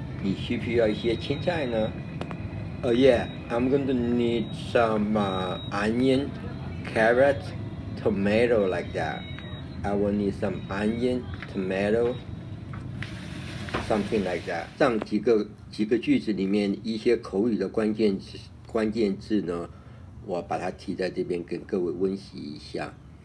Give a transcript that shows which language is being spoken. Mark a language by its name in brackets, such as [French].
[Chinese] 你需不需要一些青菜呢？ [English] Oh yeah, I'm going to need some onion, carrot, tomato like that. I will need some onion, tomato, something like that. [Chinese] 上几个句子里面一些口语的关键字呢，我把它提在这边跟各位温习一下。